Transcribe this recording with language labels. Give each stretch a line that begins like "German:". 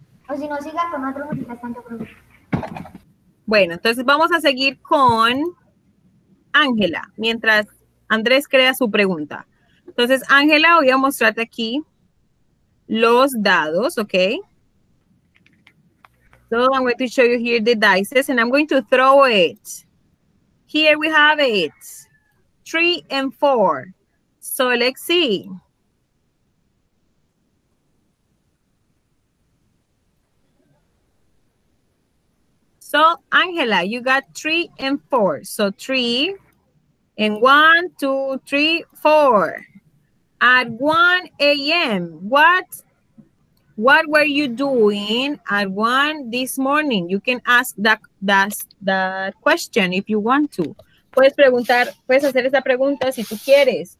Spanish: O si no, siga con otro manifestante, profe. Bueno, entonces vamos a seguir con Ángela, mientras Andrés crea su pregunta. Entonces, Ángela, voy a mostrarte aquí los dados, ¿ok?
English: So, I'm going to show you here the dices, and I'm going to throw it. Here we have it. 3 and 4. So, let's see. So, Ángela, you got 3 and 4. So, 3 and 1, 2, 3, 4. At 1 a.m., what were you doing at 1 this morning? You can ask that question if you want to.
Spanish: Puedes preguntar, puedes hacer esa pregunta si tú quieres.